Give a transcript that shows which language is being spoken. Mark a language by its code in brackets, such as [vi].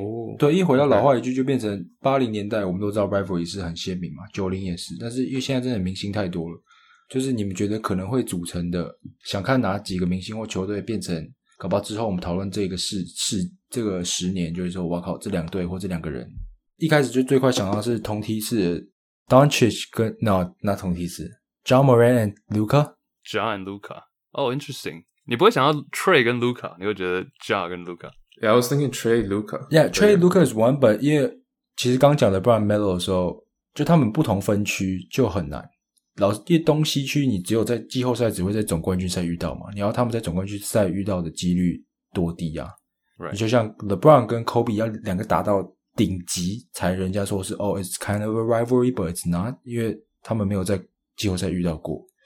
[zh] oh, 对，一回到老话一句，就变成80年代我们都知道 rivalry 是很鲜明嘛，90也是，但是因为现在真的明星太多了，就是你们觉得可能会组成的，想看哪几个明星或球队变成，搞不好之后我们讨论这个这个十年，就是说哇靠，这两队或这两个人，一开始就最快想到是同梯次 Doncic 跟 no, not 同梯次 John Moran and Luka [en] John and Luka。 [zh] Oh interesting，你不会想到 Trey 跟 Luka， 你会觉得 John 跟 Luka [en] Yeah, I was thinking Trey Luka. [zh] Yeah, Trey Luka is one, but 因为其实刚讲的 Brown Melo 的时候，就他们不同分区就很难。老是因为东西区，你只有在季后赛只会在总冠军赛遇到嘛，你要他们在总冠军赛遇到的几率多低啊？ [en] Right. [zh] 你就像 LeBron 跟 Kobe 要两个达到顶级，才人家说是 Oh, it's kind of a rivalry, but it's not，因为他们没有在季后赛遇到过。